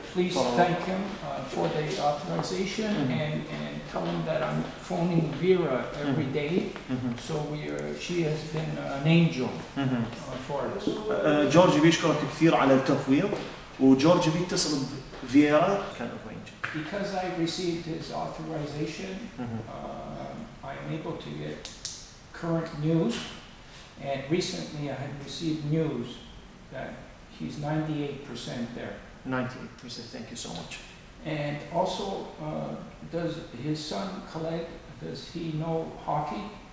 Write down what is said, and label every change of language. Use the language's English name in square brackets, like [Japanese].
[English] Please thank him for the authorization and tell him that I'm phoning Vera every day. Mm-hmm. So she has been an angel for us. [Arabic] George بيشكرك كثير على التفويض وجورج بيتصل بفيرا. [English] Because I received his authorization, I am able to get current news. And recently I have received news that he's 98% there. 98%, thank you so much. And also, does his son, Khaled, does he know hockey?